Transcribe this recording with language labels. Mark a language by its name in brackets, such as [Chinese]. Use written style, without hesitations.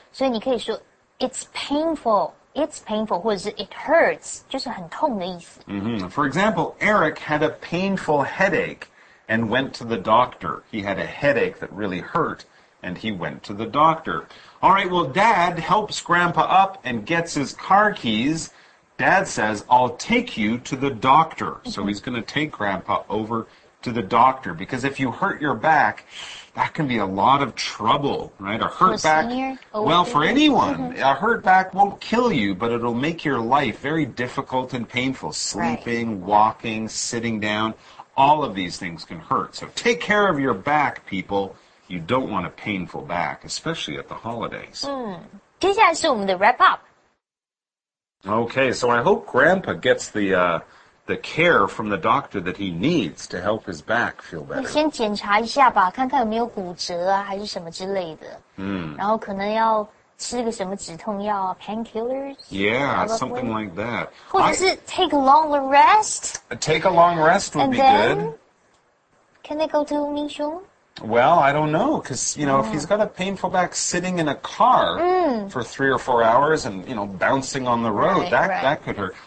[Chinese] 所以你可以说 [English] it's painful, [Chinese] 或者是 [English] it hurts, [Chinese] 就是很痛的意思。 [English] For example, Eric had a painful headache and went to the doctor. He had a headache that really hurt and he went to the doctor. All right, well, Dad helps Grandpa up and gets his car keys. Dad says, I'll take you to the doctor. So he's going to take Grandpa over to the doctor. Because if you hurt your back, that can be a lot of trouble, right? A hurt back, well, for anyone, a hurt back won't kill you, but it'll make your life very difficult and painful. Sleeping, walking, sitting down, all of these things can hurt. So take care of your back, people. You don't want a painful back, especially at the holidays. [Chinese] 接下来是我们的 wrap up. [English] Okay, so I hope Grandpa gets the care from the doctor that he needs to help his back feel better. [Chinese] 先检查一下吧，看看有没有骨折啊，还是什么之类的。然后可能要吃个什么止痛药啊 ，painkillers. [English] Yeah, something like that. [Chinese] 或者是 [English] take a long rest. Take a long rest would be good. Can they go to Ming Xiong? Well, I don't know, because, you know, if he's got a painful back sitting in a car for 3 or 4 hours and, you know, bouncing on the road, that could hurt.